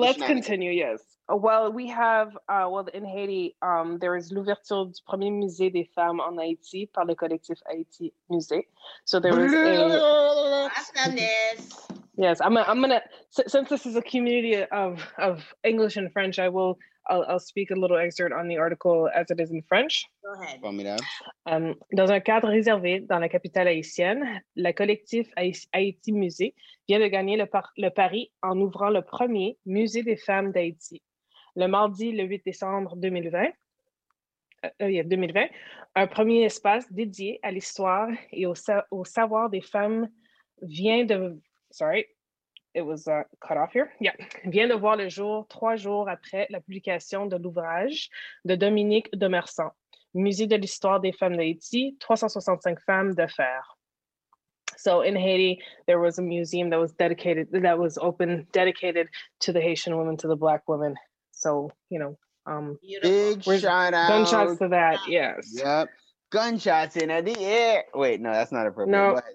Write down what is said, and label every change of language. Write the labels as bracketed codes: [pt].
[en] this. Let's continue, yes. Well, we have, in Haiti, there is [fr] l'ouverture du premier musée des femmes en Haïti par le collectif Haïti Musée. [en] So there is a... Yes, I'm gonna, since this is a community of English and French, I'll speak a little excerpt on the article as it is in French. Go ahead. [fr] Dans un cadre réservé dans la capitale haïtienne, le collectif Haïti Musée vient de gagner le pari en ouvrant le premier musée des femmes d'Haïti. le mardi le 8 décembre 2020, un premier espace dédié à l'histoire et au savoir des femmes vient de... [en] Sorry, it was cut off here. Yeah. [fr] Vient de voir le jour 3 jours après la publication de l'ouvrage de Dominique Demersan, Musée de l'histoire des femmes d'Haïti, 365 femmes de fer. [en] So in Haiti, there was a museum that was dedicated, that was open, dedicated to the Haitian women, to the Black women. So, you know, big shout out. Gunshots to that, yes. Yep. Gunshots in the air. Wait, no, that's not appropriate. No,